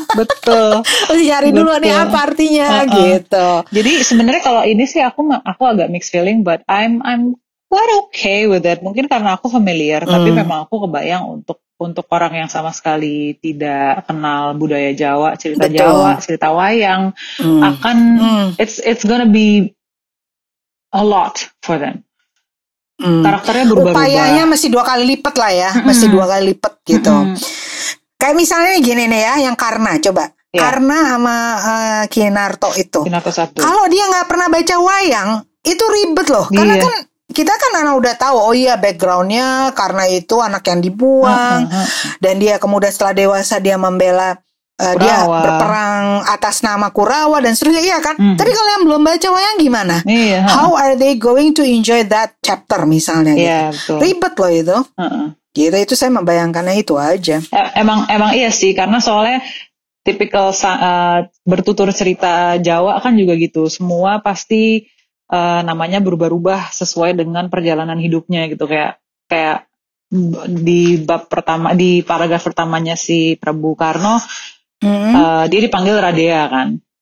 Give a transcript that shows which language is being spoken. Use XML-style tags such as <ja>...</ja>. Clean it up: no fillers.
<id>Betul. Terus nyari dulu nih apa artinya gitu. Jadi sebenarnya kalau ini sih aku agak</id> <en>mixed feeling, but I'm quite okay with that.</en> <id>Mungkin karena aku familiar, tapi memang aku kebayang untuk orang yang sama sekali tidak kenal budaya Jawa, cerita Betul. Jawa, cerita wayang, akan</id> <en>it's gonna be a lot for them.</en> <id>Karakternya berubah-ubah. Upayanya mesti dua kali lipat lah ya, mesti dua kali lipat gitu. Kayak misalnya gini nih ya, yang Karna coba. Karna sama Kinarto itu. Kinarto satu. Kalau dia nggak pernah baca wayang, itu ribet loh. Karena kan kita kan anak udah tahu, oh iya backgroundnya karena itu anak yang dibuang dan dia kemudian setelah dewasa dia membela dia berperang atas nama Kurawa dan seterusnya, iya kan. Tapi kalau yang belum baca wayang gimana?</id> <en>How are they going to enjoy that chapter</en> <id>misalnya? Betul. Ribet loh itu. Gitu, itu saya membayangkannya itu aja. Emang iya sih, karena soalnya tipikal bertutur cerita Jawa kan juga gitu, semua pasti namanya berubah-ubah sesuai dengan perjalanan hidupnya gitu. Kayak di bab pertama, di paragraf pertamanya si Prabu Karno, dia dipanggil Radea kan.</id>